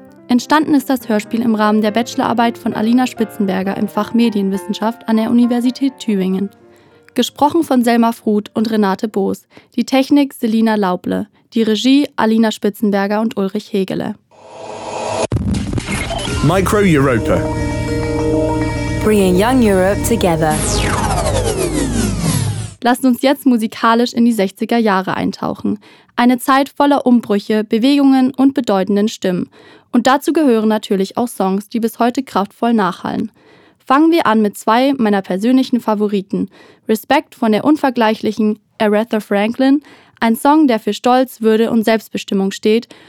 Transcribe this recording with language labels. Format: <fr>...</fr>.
<de>Entstanden ist das Hörspiel im Rahmen der Bachelorarbeit von Alina Spitzenberger im Fach Medienwissenschaft an der Universität Tübingen. Gesprochen von Selma Fruth und Renate Boos, die Technik Selina Lauble, die Regie Alina Spitzenberger und Ulrich Hegele.</de> <en>Micro Europa. Bringing young Europe together.</en> <de>Lasst uns jetzt musikalisch in die 60er Jahre eintauchen. Eine Zeit voller Umbrüche, Bewegungen und bedeutenden Stimmen. Und dazu gehören natürlich auch Songs, die bis heute kraftvoll nachhallen. Fangen wir an mit zwei meiner persönlichen Favoriten. Respect von der unvergleichlichen Aretha Franklin, ein Song, der für Stolz, Würde und Selbstbestimmung steht.</de>